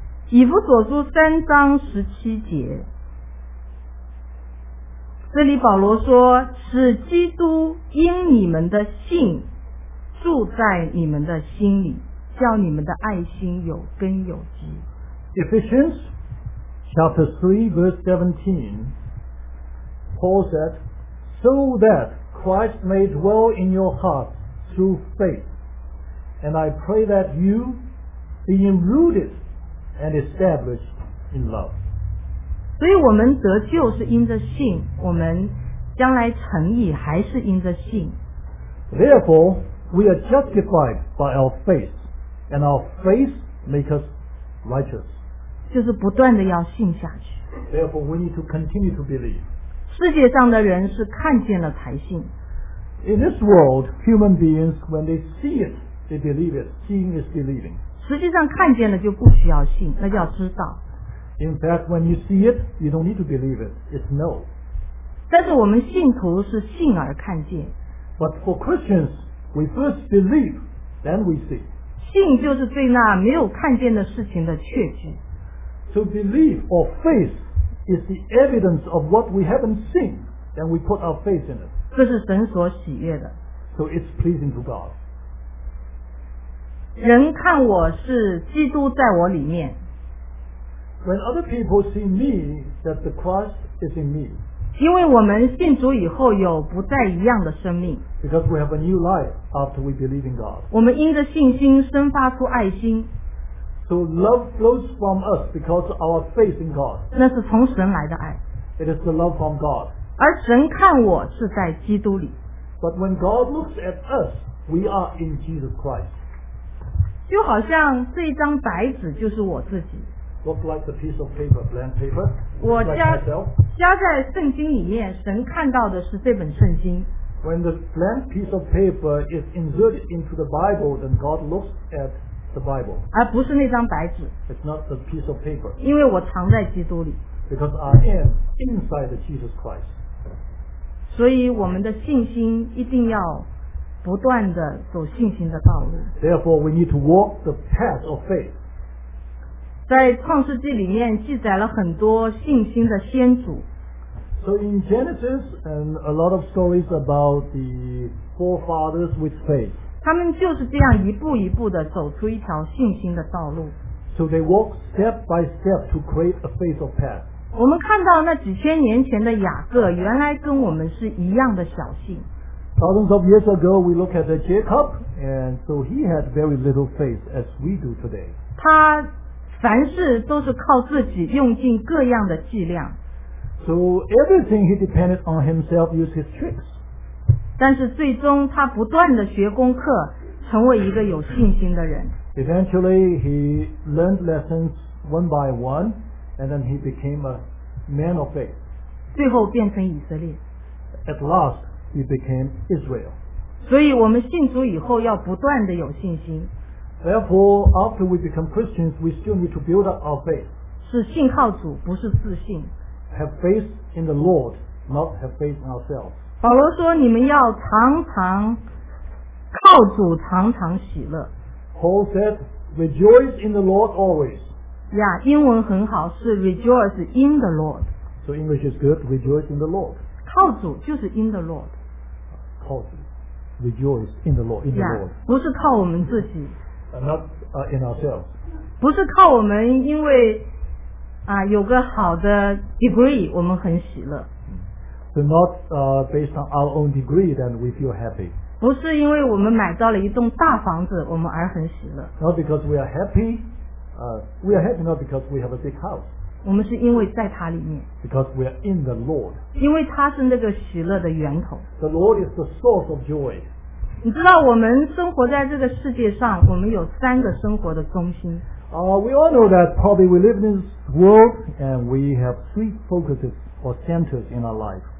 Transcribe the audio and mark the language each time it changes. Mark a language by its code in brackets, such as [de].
[zh] 以弗所书三章十七节，这里保罗说，使基督因你们的信住在你们的心里，叫你们的爱心有根有基。 [en] Ephesians chapter 3 verse 17 Paul said, So that Christ may dwell in your heart through faith, and I pray that you being rooted and established in love. [zh] 所以我们得救是因着信，我们将来成义还是因着信。 [en] Therefore, we are justified by our faith, and our faith makes us righteous. [zh] 就是不断的要信下去。 [en] Therefore, we need to continue to believe. [zh] 世界上的人是看见了才信。 [en] In this world, human beings, when they see it, they believe it. Seeing is believing. [zh] 实际上看见了就不需要信，那叫知道。 [en] In fact, when you see it, you don't need to believe it. It's know. [zh] 但是我们信徒是信而看见。 [en] But for Christians, we first believe, then we see. [zh] 信就是对那没有看见的事情的确据。 [en] So belief or faith is the evidence of what we haven't seen, then we put our faith in it. [zh] 这是神所喜悦的。 [en] So it's pleasing to God. [zh] 人看我是基督在我里面。 [en] When other people see me, that the Christ is in me. [zh] 因为我们信主以后有不再一样的生命。 [en] Because we have a new life after we believe in God. [zh] 我们因着信心生发出爱心。 [en] So love flows from us because of our faith in God. [zh] 那是从神来的爱。 [en] It is the love from God. [zh] 而神看我是在基督里。 [en] But when God looks at us, we are in Jesus Christ. [zh] 就好像这一张白纸就是我自己。 [en] Look like a piece of paper, blank paper. [zh] 我加在圣经里面，神看到的是这本圣经。 [en] When the blank piece of paper is inserted into the Bible, then God looks at the Bible. [zh] 而不是那张白纸。 [en] It's not the piece of paper. [zh] 因为我藏在基督里。 [en] Because I am inside Jesus Christ. [zh] 所以我们的信心一定要。不断地走信心的道路。 [en] Therefore, we need to walk the path of faith. [zh] 在创世纪里面记载了很多信心的先祖。 [en] So in Genesis, and a lot of stories about the forefathers with faith. [zh] 他们就是这样一步一步地走出一条信心的道路。 [en] So they walk step by step to create a faith of path. [zh] 我们看到那几千年前的雅各，原来跟我们是一样的小信。 [en] Thousands of years ago, we look at Jacob, and so he had very little faith as we do today. [zh] 他凡事都是靠自己用尽各样的伎俩。 [en] So everything he depended on himself, used his tricks. [zh] 但是最终他不断地学功课，成为一个有信心的人。 [en] Eventually, he learned lessons one by one, and then he became a man of faith. [zh] 最后变成以色列。 [en] At last,He became Israel. [zh] 所以我们信主以后要不断地有信心。 [en] Therefore, after we become Christians, we still need to build up our faith. [zh] 是信靠主，不是自信。 [en] Have faith in the Lord, not have faith in ourselves. [zh] 保罗说你们要常常靠主常常喜乐。 [en] Paul said, rejoice in the Lord always. [zh] 呀，英文很好，是 [en] rejoice in the Lord. So English is good, rejoice in the Lord. [zh] 靠主就是 [en] in the Lord. [zh] 靠主 [en] rejoice in the Lord, in the Lord. [zh] 不是靠我们自己。 [en] Not in ourselves. [zh] 不是靠我们因为有个好的 degree, 我们很喜乐。 [en] So not based on our own degree, then we feel happy. [zh] 不是因为我们买到了一栋大房子我们而很喜乐。 [en] Not because we are happy, we are happy not because we have a big house. [zh] 我们是因为在他里面。 [en] Because we are in the Lord. [zh] 因为他是那个喜乐的源头。 [en] The Lord is the source of joy. [zh] 你知道我们生活在这个世界上，我们有三个生活的中心。 [en] We all know that probably we live in this world and we have three focuses or centers in our life.